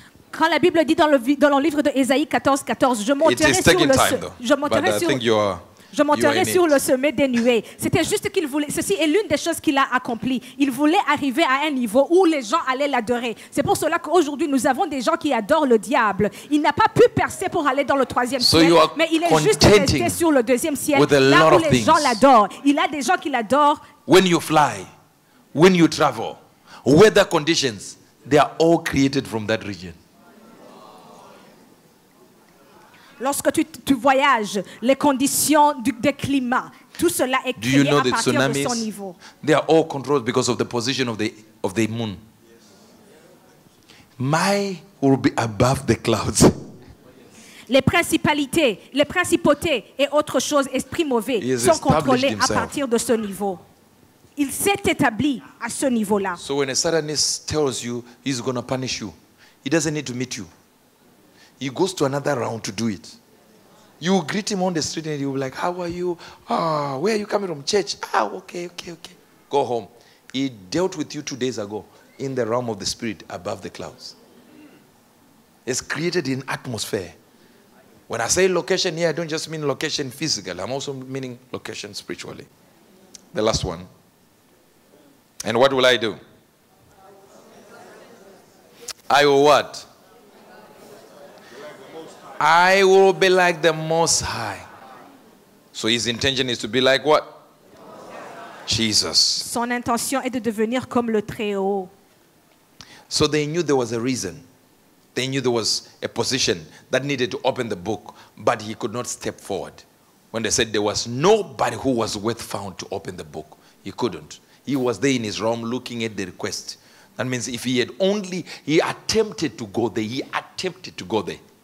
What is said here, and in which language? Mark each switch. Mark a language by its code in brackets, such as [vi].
[fr] Quand la Bible dit dans le livre de Ésaïe 14:14, je monterai sur le sommet des nuées. C'était juste qu'il voulait. Ceci est l'une des choses qu'il a accompli. Il voulait arriver à un niveau où les gens allaient l'adorer. C'est pour cela qu'aujourd'hui nous avons des gens qui adorent le diable. Il n'a pas pu percer pour aller dans le troisième ciel, mais il est juste resté sur le deuxième ciel, là où les gens l'adorent. Il a des gens qui l'adorent. [en] When you fly, when you travel, weather conditions, they are all created from that region. [fr] Lorsque tu voyages, les conditions du climat, tout cela est créé à partir [en] tsunamis, [fr] de son niveau. [en] They are all controlled because of the position of the moon. My will be above the clouds. [fr] Les principautés et autres choses, esprits mauvais, sont contrôlés [en] himself. [fr] À partir de ce niveau. Il s'est établi à ce niveau-là. [en] So when a Satanist tells you he's going to punish you, he doesn't need to meet you. He goes to another round to do it. You greet him on the street and you'll be like, how are you? Oh, where are you coming from? Church. Oh, okay. go home. He dealt with you 2 days ago in the realm of the spirit above the clouds. It's created in atmosphere. When I say location here, I don't just mean location physically. I'm also meaning location spiritually. The last one. And what will I do? I will what? I will be like the Most High. So his intention is to be like what? Jesus. [fr] Son intention est de devenir comme le Très-Haut. [en] So they knew there was a reason. They knew there was a position that needed to open the book, but he could not step forward. When they said there was nobody who was worth found to open the book, he couldn't. He was there in his room looking at the request. That means if he had only, he attempted to go there.